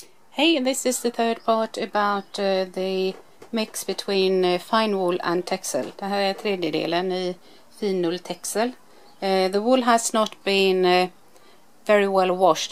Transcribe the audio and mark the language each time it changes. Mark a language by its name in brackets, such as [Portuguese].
[English] Hey, this is the third part about the mix between finewool and texel. [Swedish] Det här är tredje delen I finwool texel. [English] The wool has not been very well washed.